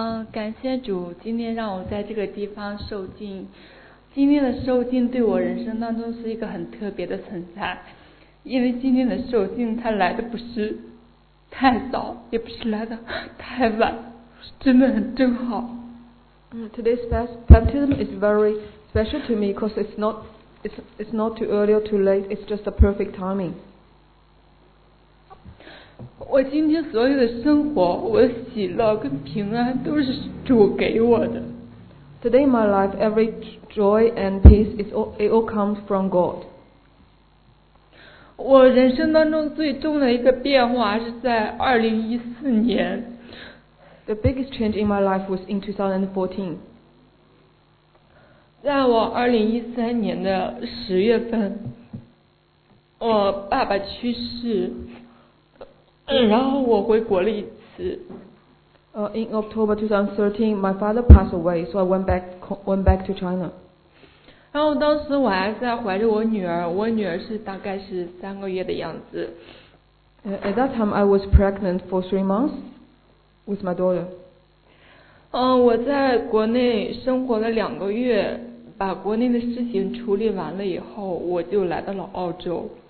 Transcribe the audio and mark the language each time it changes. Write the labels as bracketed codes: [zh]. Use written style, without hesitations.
[zh] 感谢主今天让我在这个地方受浸，今天的受浸对我人生当中是一个很特别的存在，因为今天的受浸它来的不是太早，也不是来的太晚，真的很正好。 [en] Today's baptism is very special to me because it's not too early or too late, it's just the perfect timing. [zh] 我今天所有的生活，我的喜乐跟平安都是主给我的。 [en] Today in my life, every joy and peace it all comes from God. [zh] 我人生当中最重的一个变化是在2014年。 [en] The biggest change in my life was in 2014. [zh] 在我2013年的10月份，我爸爸去世。然后我回国了一次。 [en] In October 2013, my father passed away, so I went back to China. [zh] 然后当时我还在怀着我女儿，我女儿是大概是3个月的样子。 [en] At that time, I was pregnant for 3 months with my daughter. [zh] 我在国内生活了2个月，把国内的事情处理完了以后，我就来到了澳洲。